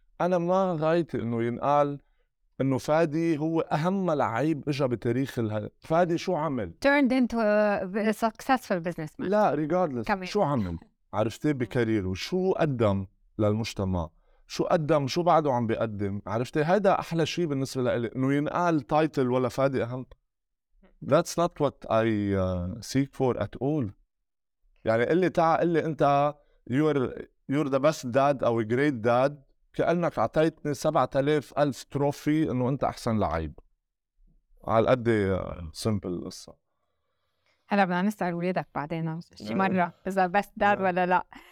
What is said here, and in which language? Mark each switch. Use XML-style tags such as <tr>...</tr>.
<ar>أنا ما غايتي إنه ينقال إنه فادي هو أهم لعيب إجا بتاريخ فادي شو عمل؟</ar> <en>turned into a successful businessman. لا regardless coming.</en> <ar>شو عمل؟ عرفتي بكاريره شو قدم للمجتمع؟ شو قدم؟ شو بعده عم بيقدم؟ عرفتي هذا أحلى شيء بالنسبة لي إنه ينقال title ولا فادي أهم.</ar> <en>That's not what I seek for at all.</en> <ar>يعني قل لي تعال قل لي أنت</ar> <en>you're the best dad</en> <ar>أو great dad. كأنك عطيتني 7000 تروفي إنه أنت أحسن لعيب على قد سيمبل القصة. هلا بدنا نسأل ولادك بعدين شي مرة إذا بس دار ولا لا.</ar>